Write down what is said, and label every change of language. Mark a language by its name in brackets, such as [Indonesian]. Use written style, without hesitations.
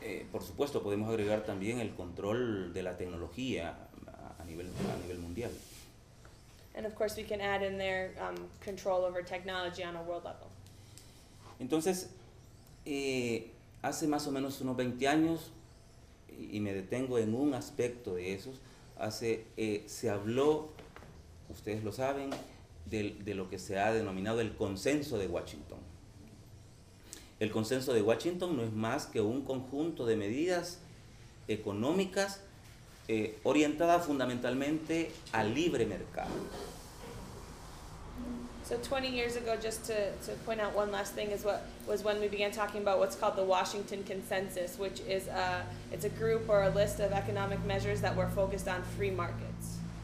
[Spanish] Por supuesto, podemos agregar también el control de la tecnología a nivel mundial. [English] And of course, we can add in there control over technology on a world level. [Spanish] Entonces, hace más o menos unos 20 años, y me detengo en un aspecto de esos, se habló, ustedes lo saben, de lo que se ha denominado el consenso de Washington. El consenso de Washington no es más que un conjunto de medidas económicas orientadas fundamentalmente al libre mercado. [English] So 20 years ago, just to point out one last thing, was when we began talking about what's called the Washington Consensus, which is it's a group or a list of economic measures that were focused on free markets.